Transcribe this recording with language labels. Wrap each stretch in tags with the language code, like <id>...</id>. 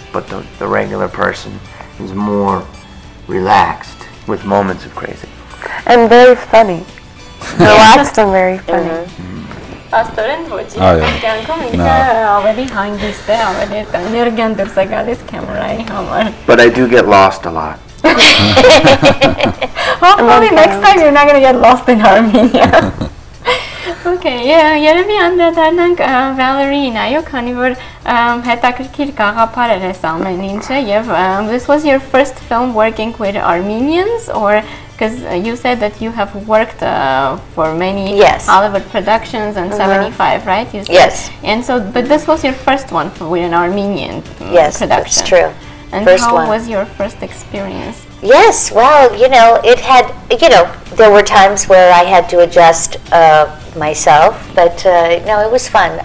<en>But the regular person is more relaxed with moments of crazy. And very funny. Relaxed and very funny.</en> <hy>Աստորեն ոչ, ինձ կյանքում ինձ ավելի հանգիստ է, ավելի էներգիան դուրս է գալիս կամերայի համար.</hy> <en>But I do get lost a lot. Hopefully next time you're not going to get lost in Armenia. Okay, yeah,</en> <hy>երևի անդրադառնանք Valerie-ին, այո, քանի որ հետաքրքիր գաղափար էր այս ամեն ինչը եւ</hy> <en>this was your first film working with Armenians or because you said that you have worked for many yes. Hollywood productions and mm-hmm. 75, right? You said. Yes. And so, but this was your first one for, with an Armenian yes, production. Yes, that's true. And first how one. Was your first experience? Yes, well, you know, it had, you know, there were times where I had to adjust myself, but no, it was fun.</en>